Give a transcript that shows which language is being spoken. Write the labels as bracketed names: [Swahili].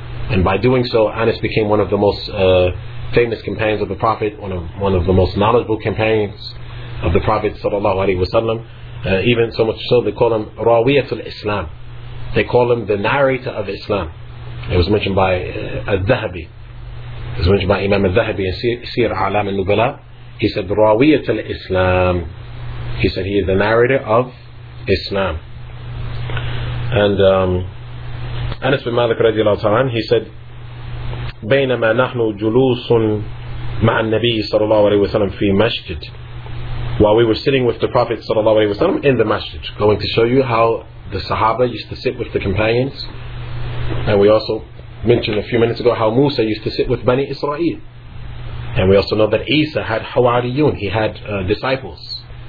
[English] And by doing so, Anas became one of the most famous companions of the Prophet, one of the most knowledgeable companions of the Prophet ﷺ, even so much so they call him Rawiyatul Islam. They call him the narrator of Islam. It was mentioned by Al-Dhahabi. It was mentioned by Imam Al-Dhahabi in Sir A'lam al-Nubala. He said, Rawiyat al-Islam. He said, he is the narrator of Islam. And Anas bin Malik radiallahu ta'ala, he said, [Arabic] بينما نحن جلوس مع النبي صلى الله عليه وسلم في مسجد. [English] While we were sitting with the Prophet صلى الله عليه وسلم in the masjid. Going to show you how the Sahaba used to sit with the companions. And we also mentioned a few minutes ago how Musa used to sit with Bani Israel. And we also know that Isa had Hawariyun, he had disciples.